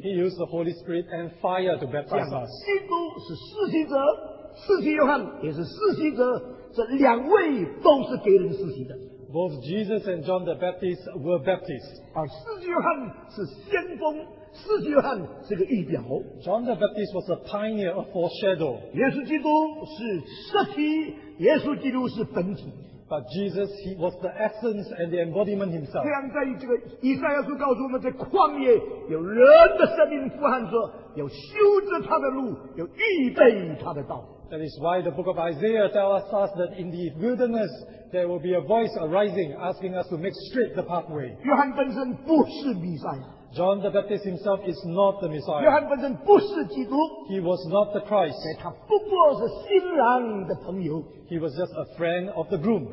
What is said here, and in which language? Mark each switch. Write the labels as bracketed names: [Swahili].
[English] He used the Holy Spirit and fire to baptize us. [Chinese] 基督是施洗者, 施洗约翰也是施洗者, 这两位都是给人施洗的。 [English] Both Jesus and John the Baptist were baptists. [Chinese] 而施洗约翰是先锋, 施洗约翰是个预表。 [English] John the Baptist was a pioneer, a foreshadow. [Chinese] 耶稣基督是实体, 耶稣基督是本体。 [English] But Jesus, he was the essence and the embodiment himself. [Chinese] 这样在这个以赛亚书告诉我们，在旷野有人的声音呼喊着，有修直他的路，有预备他的道。 [English] That is why the book of Isaiah tells us that in the wilderness there will be a voice arising asking us to make straight the pathway. John the Baptist himself is not the Messiah. He was not the Christ. He was just a friend of the groom.